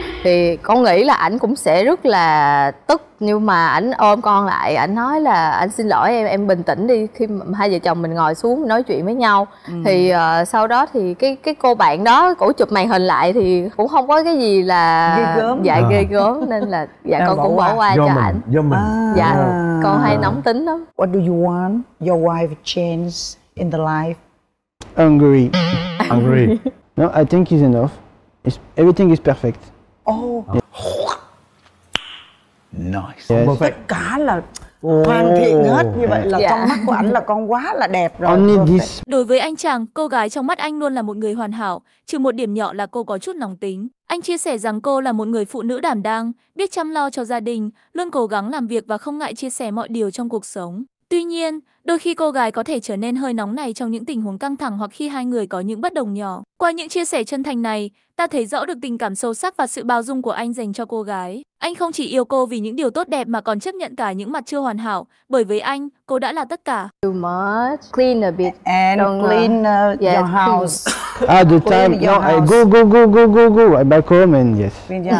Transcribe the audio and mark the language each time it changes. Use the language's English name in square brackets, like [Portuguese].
[Vietnamese] Thì con nghĩ là ảnh cũng sẽ rất là tức, nhưng mà ảnh ôm con lại, ảnh nói là anh xin lỗi em bình tĩnh đi, khi hai vợ chồng mình ngồi xuống nói chuyện với nhau. Thì sau đó thì cái cô bạn đó cổ chụp màn hình lại thì cũng không có cái gì là ghê gớm, nên là dạ con cũng bỏ qua cho ảnh. Do mình. Dạ con hay nóng tính lắm. [English] What do you want your wife change in the life? Hungry. No, I think it's enough. Everything is perfect. Oh. Yeah. Nice. Yes. Perfect. [Vietnamese] Tất cả là hoàn thiện hết. Như vậy là trong mắt của anh là con quá là đẹp rồi. Only this. Đối với anh chàng, cô gái trong mắt anh luôn là một người hoàn hảo, trừ một điểm nhỏ là cô có chút nóng tính. Anh chia sẻ rằng cô là một người phụ nữ đảm đang, biết chăm lo cho gia đình, luôn cố gắng làm việc và không ngại chia sẻ mọi điều trong cuộc sống. Tuy nhiên, đôi khi cô gái có thể trở nên hơi nóng này trong những tình huống căng thẳng hoặc khi hai người có những bất đồng nhỏ. Qua những chia sẻ chân thành này, ta thấy rõ được tình cảm sâu sắc và sự bao dung của anh dành cho cô gái. Anh không chỉ yêu cô vì những điều tốt đẹp mà còn chấp nhận cả những mặt chưa hoàn hảo, bởi với anh, cô đã là tất cả. [English] Too much. Clean a bit. And clean your house. At the time, I go right back home and yes.